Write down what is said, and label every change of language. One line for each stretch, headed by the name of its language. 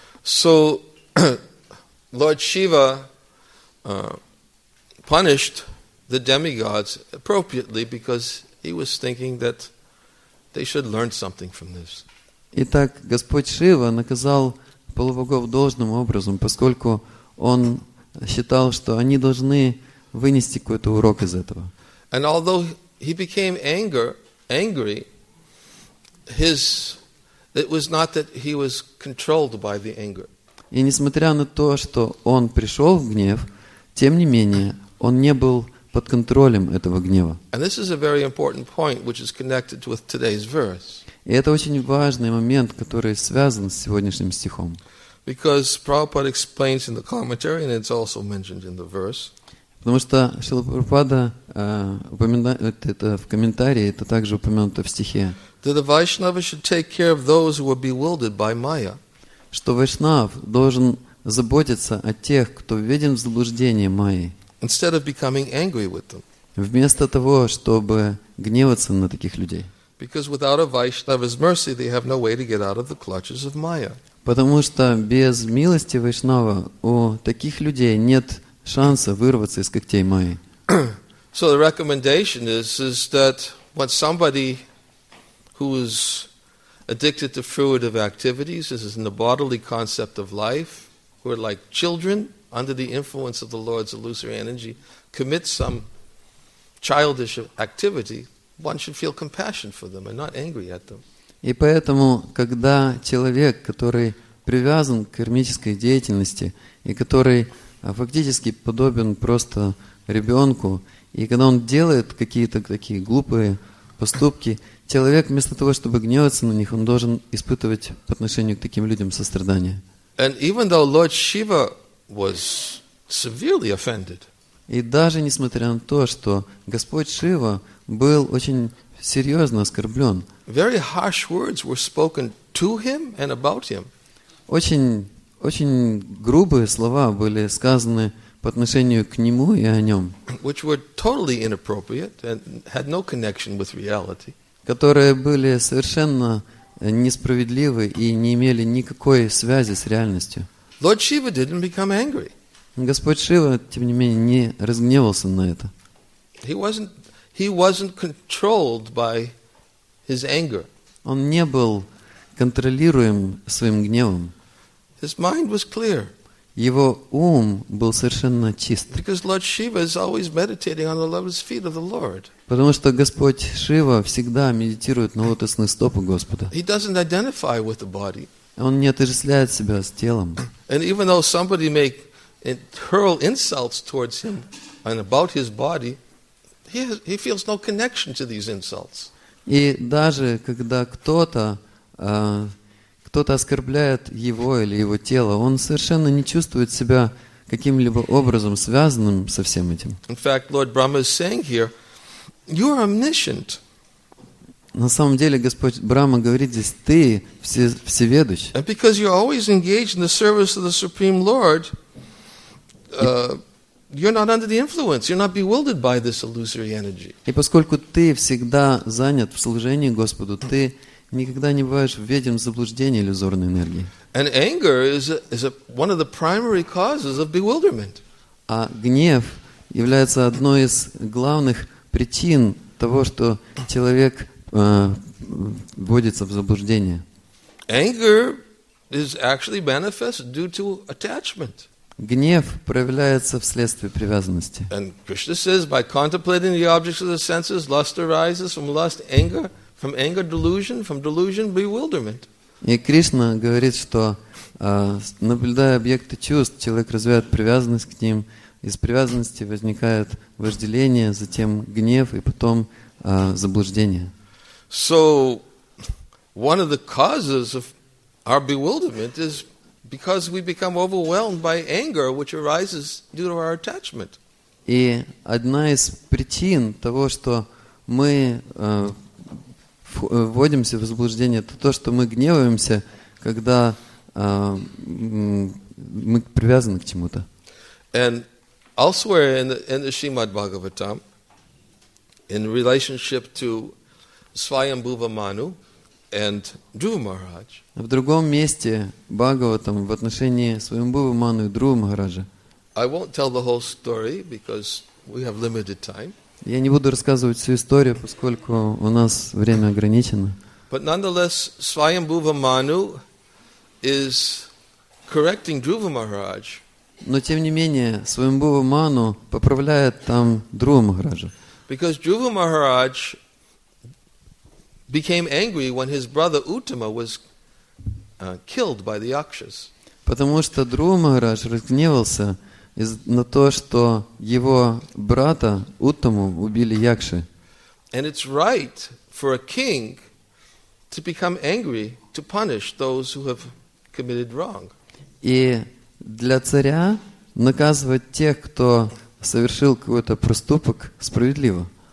English: So, Lord Shiva punished the demigods appropriately because he was thinking that they should learn something from this.
Russian: Итак, Господь Шива наказал полубогов должным образом, поскольку он считал, что они должны вынести какой-то урок из этого.
English: And although he became angry, it was not that he was controlled by the anger.
Russian: И несмотря на то, что он пришел в гнев, тем не менее, он не был под контролем этого гнева.
English: And this is a very important point, which is connected with today's verse.
Russian: И это очень важный момент, который связан с сегодняшним стихом.
English: Because Prabhupada explains in the commentary, and it's also mentioned in the verse.
Russian: Потому что Шрила Прабхупада упоминает это в комментарии, это также упомянуто в стихе.
English: That the Vaishnava should take care of those who are bewildered by Maya.
Russian: Что Вайшнав должен заботиться о тех, кто введен в заблуждение Майей.
English: Instead of becoming angry with them.
Russian: Вместо того, чтобы гневаться на таких людей.
English: Because without a Vaishnava's mercy, they have no way to get out of the clutches of Maya.
Russian: Потому что без милости Вайшнава у таких людей нет шанса вырваться из когтей Майи.
English: So the recommendation is that when somebody who is addicted to fruitive activities, this is in the bodily concept of life, who are like children under the influence of the Lord's illusory energy, commit some childish activity, one should feel compassion for them and not angry at them.
Russian: И поэтому, когда человек, который привязан к кармической деятельности и который фактически подобен просто ребенку, и когда он делает какие-то такие глупые поступки, человек, вместо того, чтобы гневаться на них, он должен испытывать по отношению к таким людям сострадание.
English: And even though Lord Shiva was severely offended,
Russian: и даже несмотря на то, что Господь Шива был очень серьезно оскорблен,
English: very harsh words were spoken to him and about him.
Russian: Очень грубые слова были сказаны по отношению к нему и о нем,
English: which were totally inappropriate and had no connection with reality.
Russian: Которые были совершенно несправедливы и не имели никакой связи с реальностью.
English: Lord Shiva didn't become angry.
Russian: Господь Шива, тем не менее, не разгневался на это.
English: He wasn't controlled by his anger.
Russian: Он не был контролируем своим гневом.
English: His mind was clear.
Russian: Его ум был совершенно чист.
English: Because Lord Shiva is always meditating on the lotus feet of the Lord.
Russian: Потому что Господь Шива всегда медитирует на лотосные стопы Господа.
English: He doesn't identify with the body.
Russian: Он не отождествляет себя с телом.
English: And even though somebody may hurl insults towards him and about his body, he feels no connection to these insults.
Russian: И даже когда кто-то оскорбляет его или его тело, он совершенно не чувствует себя каким-либо образом связанным со всем этим.
English: In fact, Lord Brahma is saying here, you are omniscient.
Russian: На самом деле, Господь Брама говорит здесь, ты всеведущ.
English: And because you're always engaged in the service of the Supreme Lord, you're not under the influence, you're not bewildered by this illusory energy.
Russian: И поскольку ты всегда занят в служении Господу, ты никогда не бываешь введен в заблуждение иллюзорной энергии.
English: And anger is one of the primary causes of bewilderment.
Russian: А гнев является одной из главных причин того, что человек вводится в заблуждение.
English: Anger is actually manifest due to attachment.
Russian: Гнев проявляется вследствие привязанности.
English: And Krishna says, by contemplating the objects of the senses, lust arises from lust, anger. From anger, delusion; from delusion, bewilderment.
Russian: И Кришна говорит, что наблюдая объекты чувств, человек развивает привязанность к ним. Из привязанности возникает вожделение, затем гнев и потом заблуждение.
English: So, one of the causes of our bewilderment is because we become overwhelmed by anger, which arises due to our attachment.
Russian: И одна из причин того, что мы вводимся в заблуждение, это то, что мы гневаемся, когда мы привязаны к чему-то.
English: And elsewhere in the Srimad Bhagavatam, in relationship to Svayambhuva Manu and Dhruva Maharaj.
Russian: В другом месте Бхагаватам в отношении Свайамбхува Ману и Дхрува Махараджа.
English: I won't tell the whole story because we have limited time.
Russian: Я не буду рассказывать всю историю, поскольку у нас время ограничено.
English: But nonetheless, Svayambhuva Manu is correcting Dhruva Maharaj.
Russian: Но тем не менее, Свайамбхува Ману поправляет там Дхрува Махараджа.
English: Because Dhruva Maharaj became angry when his brother Uttama was killed by the Yakshas.
Russian: Потому что Дхрува Махарадж разгневался на то, что его брата Уттаму убили Якши.
English: And it's right for a king to become angry to punish those who have committed wrong.
Russian: И для царя наказывать тех, кто совершил какой-то проступок, справедливо.